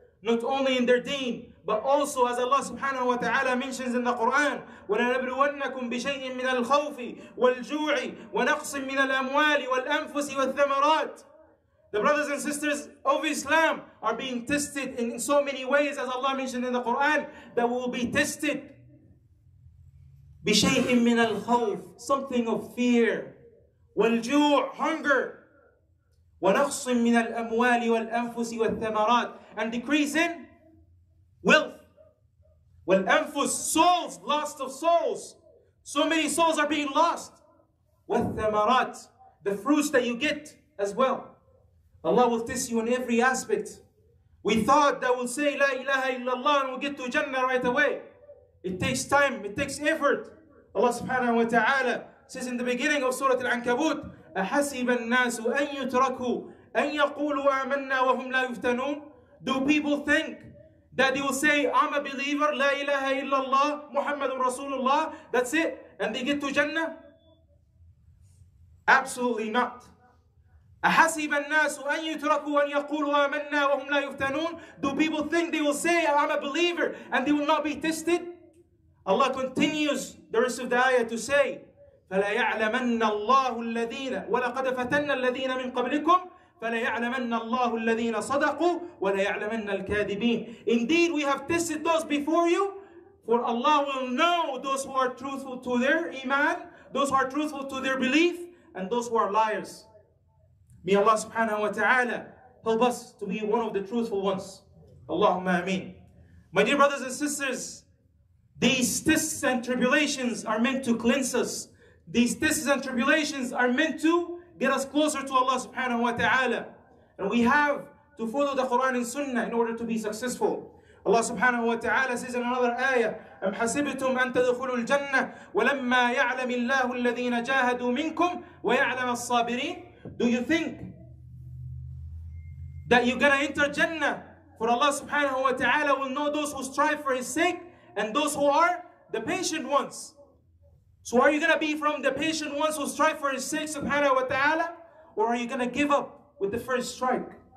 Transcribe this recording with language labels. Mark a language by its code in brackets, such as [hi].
[en] Not only in their deen, but also as Allah subhanahu wa ta'ala mentions in the Quran, [ar] وَلَنَبْلُوَنَّكُمْ بِشَيْءٍ مِنَ الْخَوْفِ وَالْجُوعِ وَنَقْصٍ مِنَ الْأَمْوَالِ وَالْأَنفُسِ وَالثَّمَرَاتِ. [en] The brothers and sisters of Islam are being tested in so many ways, as Allah mentioned in the Quran, that we will be tested. [ar] بِشَيْءٍ مِنَ الْخَوْفِ, [en] something of fear. [ar] وَالْجُوعِ, hunger. وَنَقْصٍ مِنَ الْأَمْوَالِ وَالْأَنفُسِ وَالثَّمَرَاتِ, [en] and decreasing wealth. وَالْأَنفُسِ, souls, lost of souls. So many souls are being lost. وَالثَّمَرَاتِ, the fruits that you get as well. Allah will test you in every aspect. We thought that we'll say La ilaha illallah and we'll get to Jannah right away. It takes time, it takes effort. Allah subhanahu wa ta'ala says in the beginning of Surah Al-Ankabut, [ar] أَحَسِبَ النَّاسُ أَن يُتْرَكُوا أَن يَقُولُوا آمَنَّا وَهُمْ لَا يُفْتَنُونَ. [en] Do people think that they will say, I'm a believer, La ilaha illallah, Muhammadun Rasulullah, that's it, and they get to Jannah? Absolutely not. [ar] أَحَسِبَ النَّاسُ أَن يُتْرَكُوا أَن يَقُولُوا آمَنَّا وَهُمْ لَا يُفْتَنُونَ. [en] Do people think they will say, I'm a believer, and they will not be tested? Allah continues the rest of the ayah to say, [ar] فَلَيَعْلَمَنَّ اللَّهُ الَّذِينَ وَلَقَدْ فَتَنَّ الَّذِينَ مِنْ قَبْلِكُمْ فَلَيَعْلَمَنَّ اللَّهُ الَّذِينَ صَدَقُوا وَلَيَعْلَمَنَّ الْكَاذِبِينَ. [en] Indeed, we have tested those before you, for Allah will know those who are truthful to their iman, those who are truthful to their belief, and those who are liars. May Allah subhanahu wa ta'ala help us to be one of the truthful ones. Allahumma ameen. My dear brothers and sisters, these tests and tribulations are meant to cleanse us. These tests and tribulations are meant to get us closer to Allah subhanahu wa ta'ala. And we have to follow the Quran and Sunnah in order to be successful. Allah subhanahu wa ta'ala says in another ayah, [ar] أَمْ حَسِبْتُمْ أَن تَدْخُلُوا الْجَنَّةِ وَلَمَّا يَعْلَمِ اللَّهُ الَّذِينَ جَاهَدُوا مِنْكُمْ وَيَعْلَمَ الصَّابِرِينَ. [en] Do you think that you're going to enter Jannah? For Allah subhanahu wa ta'ala will know those who strive for His sake and those who are the patient ones. So are you going to be from the patient ones who strive for His sake, subhanahu wa ta'ala? Or are you going to give up with the first strike?